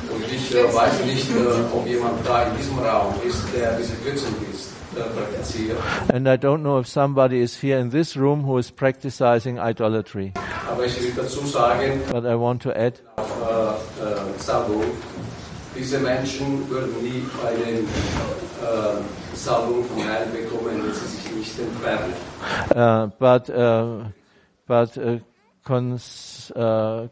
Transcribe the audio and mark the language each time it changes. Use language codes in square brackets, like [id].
[de] Ich weiß nicht, ob jemand da in diesem Raum ist, der diese Götzendienst praktiziert. [en] And I don't know if somebody is here in this room who is practicing idolatry. [de] Aber ich will dazu sagen, [en] but I want to add, [de] Sabu, diese Menschen würden nie bei den Salbung vom Herrn bekommen, wenn sie sich nicht entfernen.